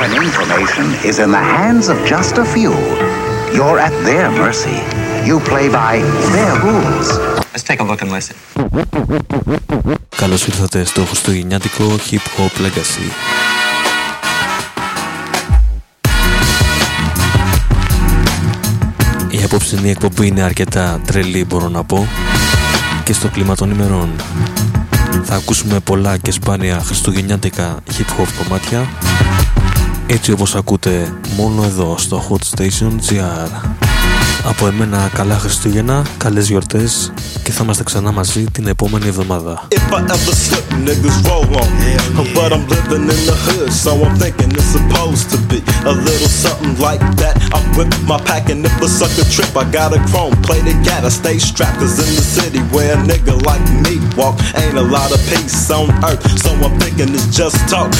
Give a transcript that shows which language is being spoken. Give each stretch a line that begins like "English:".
English: information is in the hands of just a few. You're at their mercy. You play by their rules. Let's take a look and listen.
Greek: Καλώς ήρθατε στο χριστουγεννιάτικο Hip Hop Legacy. Η απόψινη εκπομπή είναι αρκετά τρελή, μπορώ να πω, και στο κλίμα των ημερών. Θα ακούσουμε πολλά και σπάνια χριστουγεννιάτικα hip hop κομμάτια, έτσι όπως ακούτε μόνο εδώ στο Hot Station GR. Από εμένα καλά Χριστούγεννα, καλές γιορτές και θα είμαστε ξανά μαζί την επόμενη εβδομάδα.
English: If I ever slip, niggas roll on me. But I'm living in the hood, so I'm thinking it's supposed to be a little something like that. I'm with my pack and if a sucker trip, I got a chrome plate to get. I stay strapped, cause in the city where a nigga like me walk, ain't a lot of peace on earth, so I'm thinking it's just talk.